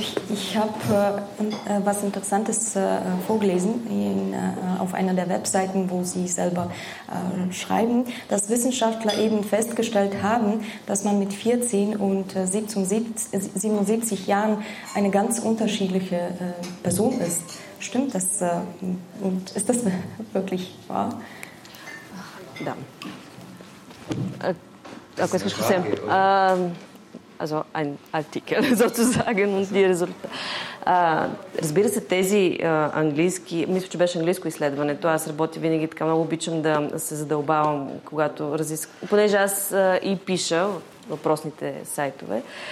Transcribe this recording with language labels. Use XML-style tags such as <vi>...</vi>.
<de>Ich habe was Interessantes vorgelesen auf einer der Webseiten, wo Sie selber schreiben, dass Wissenschaftler eben festgestellt haben, dass man mit 14 und 77 Jahren eine ganz unterschiedliche Person ist. Stimmt das? Und ist das wirklich wahr? Ja.</de> <it>Questo è un articolo, sozusagen, un risultato.</it> <bg>Разбира се, тези английски, мисля, че беше английско изследването, аз работя винаги така, много обичам да се задълбавам, когато разискам, понеже аз и пиша въпросните сайтове.</bg>